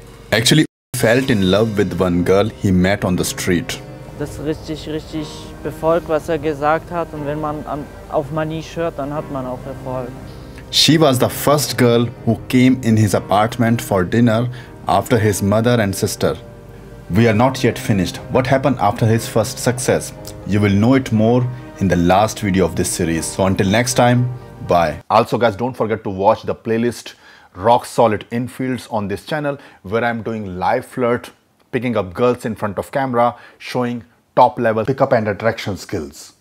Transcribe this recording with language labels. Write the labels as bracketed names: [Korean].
[English] Actually, fell in love with one girl he met on the street. [German] Das richtig, richtig befolgt, was er gesagt hat. Und wenn man auf Manish hört, dann hat man auch Erfolg. [English] She was the first girl who came in his apartment for dinner after his mother and sister. We are not yet finished. What happened after his first success? You will know it more in the last video of this series. So until next time, bye. Also guys, don't forget to watch the playlist Rock Solid Infields on this channel, where I'm doing live flirt, picking up girls in front of camera, showing top-level pickup and attraction skills.